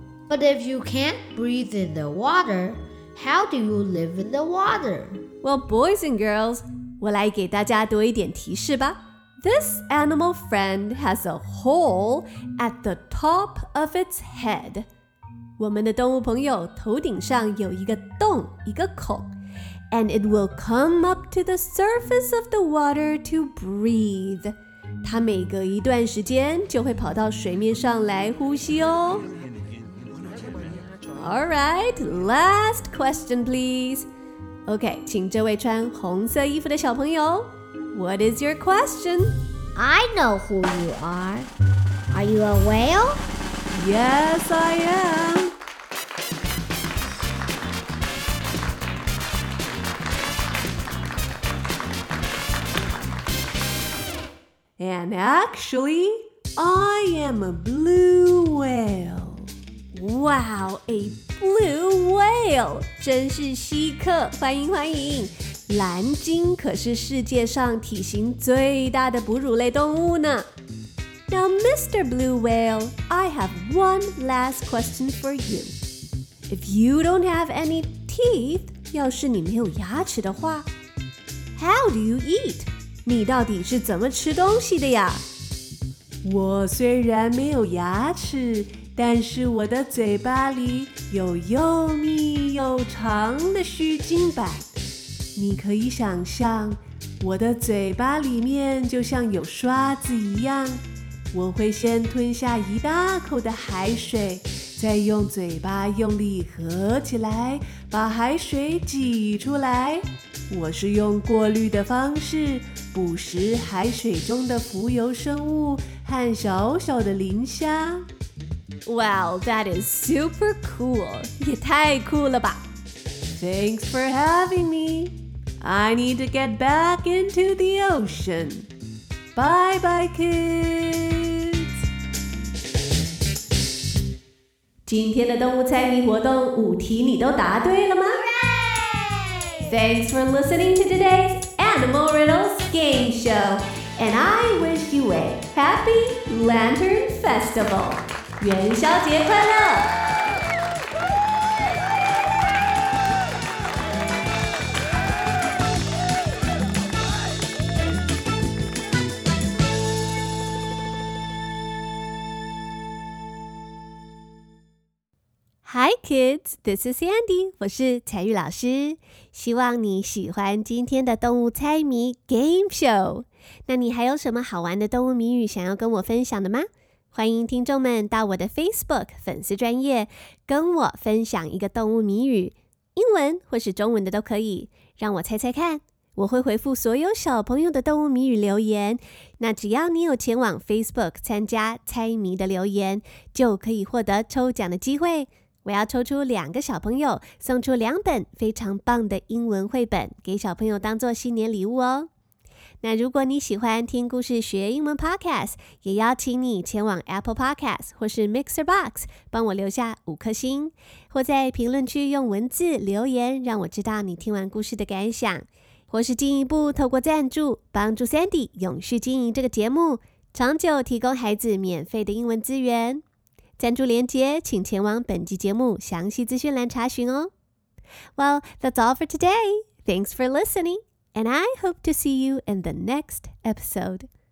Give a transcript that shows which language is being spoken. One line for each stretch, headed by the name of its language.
English: But if you can't breathe in the water, how do you live in the water? Well, boys and girls,
Chinese: 我来给大家多一点提示吧。
English: This animal friend has a hole at the top of its head.
Chinese: 我们的动物朋友头顶上有一个洞，一个孔。
English: And it will come up to the surface of the water to breathe.
Chinese: 它每隔一段时间就会跑到水面上来呼吸哦。
English: All right, last question, please.
Chinese: Okay, 请这位穿红色衣服的小朋友。
English: What is your question? I know who you are. Are you a whale? Yes, I am. And actually, I am a blue whale. Wow, a
Chinese: blue whale， 真是稀客，欢迎欢迎。蓝鲸可是世界上体型最大的哺乳类动物呢。
English: Now, Mr. Blue Whale, I have one last question for you. If you don't have any teeth,
Chinese: 要是你没有牙齿的话，
English: how do you eat?
Chinese: 你到底是怎么吃东西的呀？我虽然没有牙齿，但是我的嘴巴里有又密又长的须筋板。你可以想象，我的嘴巴里面就像有刷子一样。我会先吞下一大口的海水，再用嘴巴用力合起来，把海水挤出来。我是用过滤的方式捕食海水中的浮游生物和小小的磷虾。
English: Wow, that is super cool.
Chinese: 也太酷了吧。
English: Thanks for having me. I need to get back into the ocean. Bye bye, kids.
Chinese: 今天的动物猜谜活动五题你都答对了吗？
English: Hooray! Thanks for listening to today's Animal Riddles Game Show. And I wish you a happy Lantern Festival.
Chinese: 元宵节快乐！
English: Hi kids, this is Andy,
Chinese: 我是彩玉老师。希望你喜欢今天的动物猜谜 Game Show。那你还有什么好玩的动物谜语想要跟我分享的吗？欢迎听众们到我的 Facebook 粉丝专页跟我分享一个动物谜语，英文或是中文的都可以，让我猜猜看。我会回复所有小朋友的动物谜语留言，那只要你有前往 Facebook 参加猜谜的留言，就可以获得抽奖的机会。我要抽出两个小朋友，送出两本非常棒的英文绘本给小朋友当做新年礼物哦。那如果你喜欢听故事学英文 Podcast， 也邀请你前往 Apple Podcast 或是 Mixer Box 帮我留下五颗星，或在评论区用文字留言让我知道你听完故事的感想，或是进一步透过赞助帮助 Sandy 永续经营这个节目，长久提供孩子免费的英文资源。赞助连结请前往本集节目详细资讯栏查询哦。
English: Well, that's all for today. Thanks for listening. And I hope to see you in the next episode.